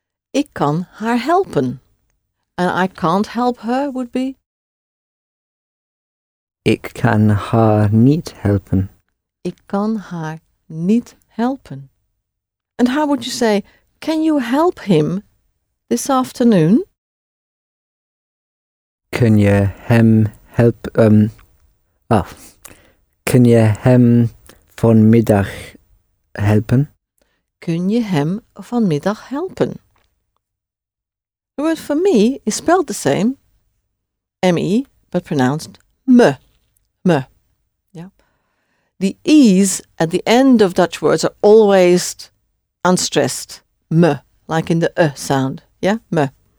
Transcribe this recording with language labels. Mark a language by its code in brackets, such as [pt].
[nl] Ik kan haar helpen. [en] And I can't help her. Would be. [nl] Ik kan haar niet helpen. Ik kan haar niet helpen. [en] And how would you say, can you help him this afternoon? [nl] Kun je hem help, kun je hem vanmiddag helpen? Kun je hem vanmiddag helpen? [en] The word for me is spelled the same, M-E, but pronounced me, me. The E's at the end of Dutch words are always unstressed. M, like in the E sound. Yeah, M.